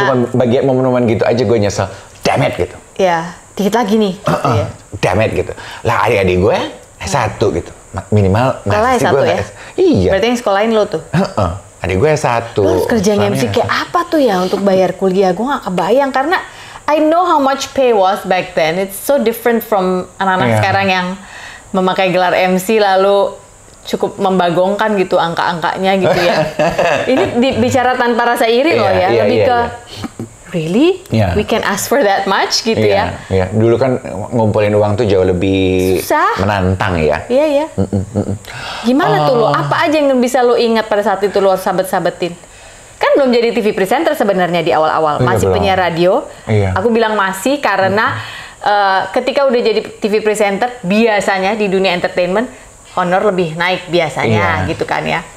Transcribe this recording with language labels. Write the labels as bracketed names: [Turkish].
[Indonesian] Cuma bagian momen-momen gitu aja gue nyesel. [English] Damn it, [Indonesian] gitu. Iya, dikit lagi nih. Gitu, ya. [English] Damn it, [Indonesian] gitu. Lah, adik-adik gue S1, gitu. minimal sekolah S1 gue ya? Iya. Berarti yang sekolahin lo tuh? Adik gue S1. Lo harus kerja MC kayak apa tuh ya untuk bayar kuliah? Gue gak kebayang karena [English] I know how much pay was back then. It's so different from [Indonesian] anak-anak sekarang yang memakai gelar MC lalu cukup membagongkan gitu angka-angkanya gitu ya. Ini bicara tanpa rasa iri loh ya. Lebih ke, [English] really? Yeah. We can ask for that much [Indonesian] gitu ya. [English] Yeah. [Indonesian] Dulu kan ngumpulin uang tuh jauh lebih susah. Menantang ya. Iya, iya. Gimana tuh lo? Apa aja yang bisa lo ingat pada saat itu lo harus sabet-sabetin? Kan belum jadi TV presenter sebenarnya di awal-awal. Masih penyiar radio. Iya. Aku bilang masih karena ketika udah jadi TV presenter, biasanya di dunia entertainment, honor lebih naik biasanya gitu kan ya.